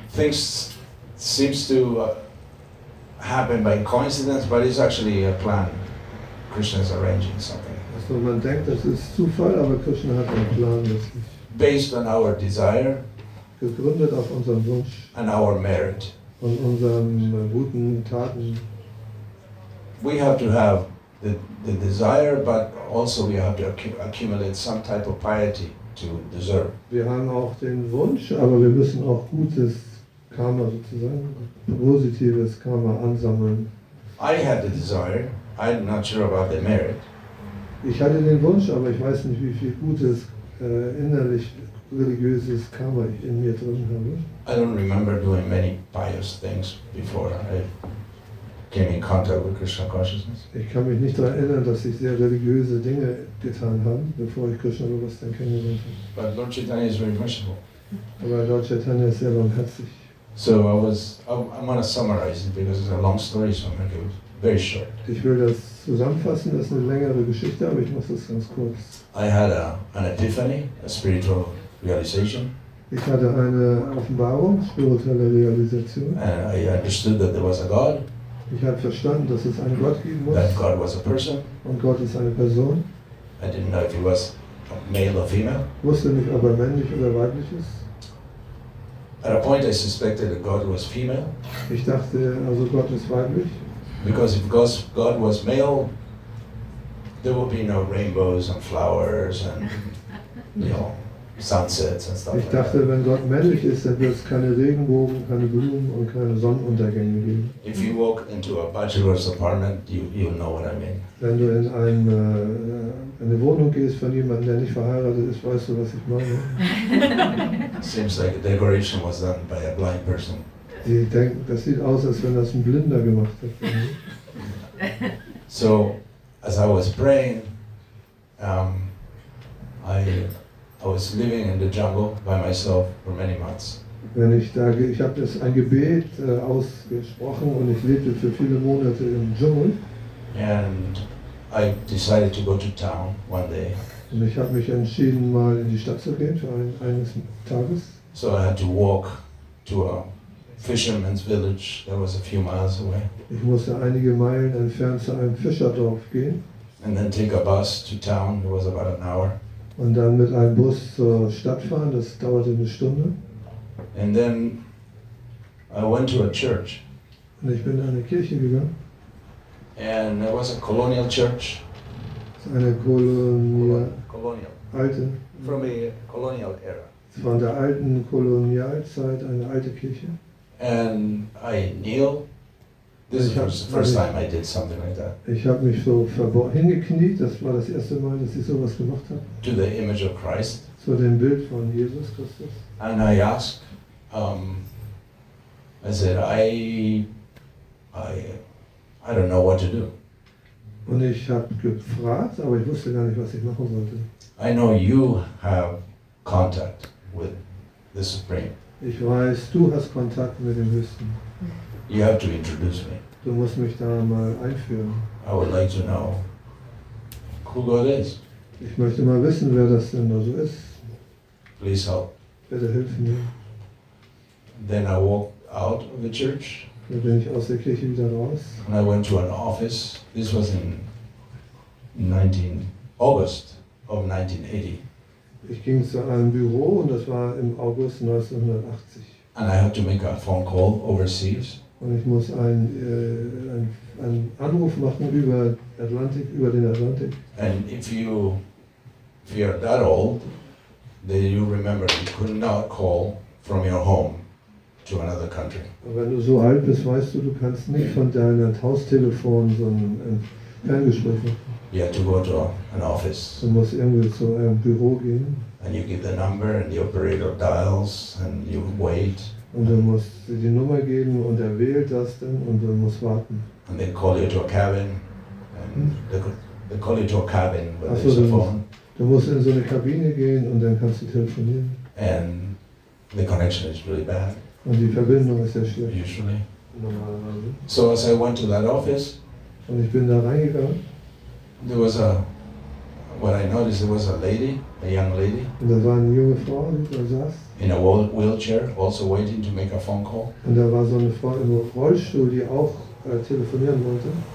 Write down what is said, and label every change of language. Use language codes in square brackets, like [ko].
[en] Things seems to happen by coincidence, but it's actually a plan. Krishna's arranging something. [de] So man denkt, das ist Zufall, aber Krishna hat einen Plan. [en] Based on our desire. [de] Gegründet auf unserem Wunsch. [en] And our merit. [de] Und unseren guten Taten. [en] We have to have the desire, but also we have to accumulate some type of piety to deserve. [de] Wir haben auch den Wunsch, aber wir müssen auch gutes Karma sozusagen, positives Karma ansammeln. [en] I had the desire. I'm not sure about the merit. [de] Ich hatte den Wunsch, aber ich weiß nicht, wie viel gutes innerlich religiöses Karma ich in mir drin habe. [en] I don't remember doing many pious things before I came in contact with Krishna consciousness. [de] Ich kann mich nicht daran erinnern, dass ich sehr religiöse Dinge getan habe, bevor ich Krishna Bewusstsein kennengelernt habe. [en] But Lord Chaitanya is very merciful. [de] Aber Lord Chaitanya ist sehr barmherzig. [en] So I'm going to summarize it because it's a long story, so I'm going to give it very short. [de] Ich will das zusammenfassen, das ist eine längere Geschichte, aber ich mache es ganz kurz. [en] I had an epiphany, a spiritual realization. [de] Ich hatte eine Offenbarung, spirituelle Realisation. [en] And I understood that there was a God. [de] Ich habe verstanden, dass es einen Gott geben muss. [en] That God was a person. [de] Und Gott ist eine Person. [en] I didn't know if he was male or female. [de] Wusste nicht, ob er männlich oder weiblich ist. [en] At a point I suspected that God was female. [de] Ich dachte, also Gott ist weiblich. [en] Because if God was male, there would be no rainbows and flowers and, you know, sunsets and stuff. [de] Ich dachte, wenn Gott männlich ist, dann wird es keine Regenbogen, keine Blumen und keine Sonnenuntergänge geben. [en] If you walk into a bachelor's apartment, you know what I mean. [de] Wenn du in eine Wohnung gehst von jemandem, der nicht verheiratet ist, weißt du, was ich meine. [en] Seems like a decoration was done by a blind person. [de] Die denken, das sieht aus, als wenn das ein Blinder gemacht hat. [en] So, as I was praying, I was living in the jungle by myself for many months. [de] Wenn ich da, ich habe das ein Gebet ausgesprochen und ich lebte für viele Monate im Dschungel. [en] And I decided to go to town one day. [de] Und ich habe mich entschieden, mal in die Stadt zu gehen für eines Tages. [en] So I had to walk to a fisherman's village that was a few miles away. [de] Ich musste einige Meilen entfernt zu einem Fischerdorf gehen. [en] And then take a bus to town. It was about an hour. [de] Und dann mit einem Bus zur Stadt fahren, das dauerte eine Stunde. [en] And then I went to a church. [de] Und ich bin in eine Kirche gegangen. [en] And it was a colonial church. [de] Eine colonial. Alte. [en] From a colonial era. [de] Von der alten Kolonialzeit, eine alte Kirche. [en] And I kneel. This is the first time I did something like that. [de] Ich habe mich so hingekniet. Das war das erste Mal, dass ich sowas gemacht habe. [en] To the image of Christ. [de] Zu dem Bild von Jesus Christus. [en] And I asked, I said, I don't know what to do. [de] Und ich habe gefragt, aber ich wusste gar nicht, was ich machen sollte. [en] I know you have contact with the Supreme. [de] Ich weiß, du hast Kontakt mit dem Höchsten. [en] You have to introduce me. [de] Du musst mich da mal einführen. [en] I would like to know who God is. [de] Ich möchte mal wissen, wer das denn da so ist. [en] Please help. [de] Bitte hilf mir. [en] Then I walked out of the church. [de] Dann bin ich aus der Kirche wieder raus. [en] And I went to an office. This was in August of 1980. [de] Ich ging zu einem Büro und das war im August 1980. [en] And I had to make a phone call overseas. [de] Und ich muss einen Anruf machen über Atlantik, über den Atlantik. [en] And if you are that old, then you remember you could not call from your home to another country. [de] Aber wenn du so alt bist, weißt du, du kannst nicht von deinem Haustelefon so ein Ferngespräch machen. [en] You have to go to an office. [de] Du musst irgendwie zu einem Büro gehen. [en] And you give the number and the operator dials and you wait. [de] Und du musst die Nummer geben und er wählt das dann und du musst warten. [en] And they call you to a cabin. They call you to a cabin with so, the phone. [de] Du musst in so eine Kabine gehen und dann kannst du telefonieren. [en] And the connection is really bad. [de] Und die Verbindung ist sehr schlecht. [en] Usually. So as I went to that office. [de] Und ich bin da reingegangen. [en] There was a, what I noticed, there was a lady, a young lady. [de] Und da war eine junge Frau, die da saß. [en] In a wheelchair, also waiting to make a phone call. [de] Und da war so eine Frau im Rollstuhl, die auch telefonieren wollte.